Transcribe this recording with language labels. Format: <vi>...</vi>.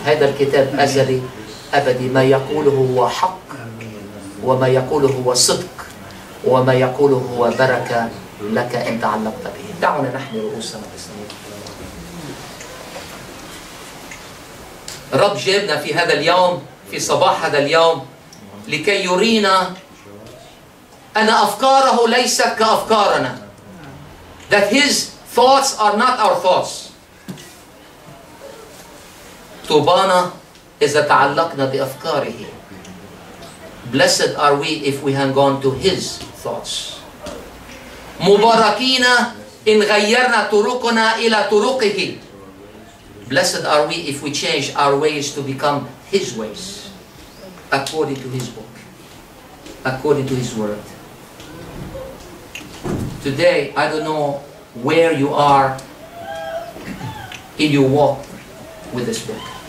<ar>هذا الكتاب أزلي أبدي، ما يقوله هو حق، وما يقوله هو صدق، وما يقوله هو بركة لك إن تعلقت به. دعونا نحن رؤوسنا بسنين. رب جابنا في هذا اليوم، في صباح هذا اليوم، لكي يرينا أن أفكاره ليست كأفكارنا.</ar> <en>That his thoughts are not our thoughts.</en> <ar>طوبانا إذا تعلقنا بأفكاره.</ar> <en>Blessed are we if we hang on to his thoughts.</en> <ar>مباركين إن غيرنا طرقنا إلى طرقه.</ar> <en>Blessed are we if we change our ways to become his ways. According to his book. According to his word. Today, I don't know where you are in your walk with this book.</en>